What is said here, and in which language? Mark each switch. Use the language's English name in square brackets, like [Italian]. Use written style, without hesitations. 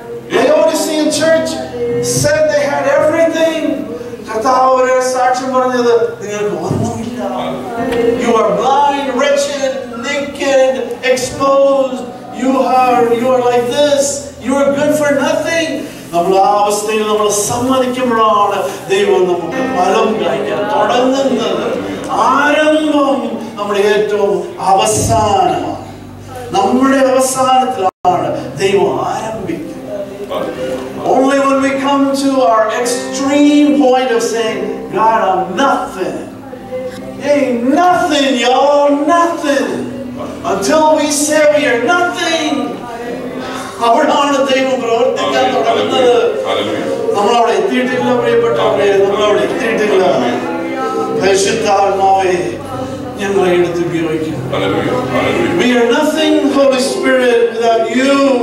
[English] Laodicean church said they had everything. You are blind, wretched, naked, exposed. You are like this. You are good for nothing. [Malayalam] നമ്മുടെ ആ അവസ്ഥയിൽ നമ്മൾ സമ്മതിക്കുമ്പോഴാണ് ദൈവം നമുക്ക് ഫലം കഴിക്കാൻ തുടങ്ങുന്നത്. ആരംഭം നമ്മുടെ ഏറ്റവും അവസാനമാണ്. നമ്മുടെ അവസാനത്തിലാണ് ദൈവം ആരംഭിക്കുന്നത്. [English] Only when we come to our extreme point of saying, God, I'm nothing. Ain't nothing, y'all, nothing. Until we say we are nothing. [Malayalam] അവിടാണ് ദൈവം പ്രവർത്തിക്കാൻ തുടങ്ങുന്നത്. നമ്മൾ അവിടെ എത്തിയിട്ടില്ല പ്രിയപ്പെട്ടവരെ, നമ്മൾ അവിടെ എത്തിയിട്ടില്ല. പരിശുദ്ധാത്മാവെ ഞങ്ങളെ എടുത്ത് ഉപയോഗിക്കും. [English] We are nothing, Holy Spirit, without you.